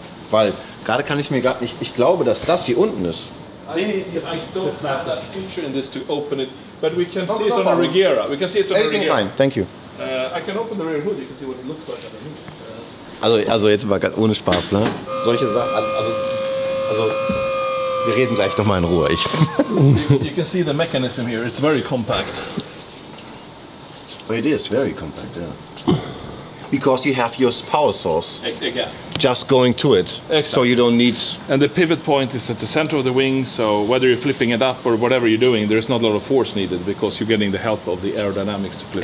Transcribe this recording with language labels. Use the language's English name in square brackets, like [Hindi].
[German] Weil gerade kann ich mir gar nicht. Ich glaube, dass das hier unten ist. [English] I don't have that feature in this to open it, but we can see it on a Regera. We can see it on a Regera. Fine, thank you. I can open the rear hood, you can see what it looks like underneath. [German] Also jetzt aber ganz ohne Spaß, ne? Solche Sachen, also wir reden gleich nochmal in Ruhe. [English] You can see the mechanism here, it's very compact. Oh, it is very compact, yeah. Because you have your power source just going to it, exactly. So you don't need... And the pivot point is at the center of the wing, so whether you're flipping it up or whatever you're doing, there's not a lot of force needed because you're getting the help of the aerodynamics to flip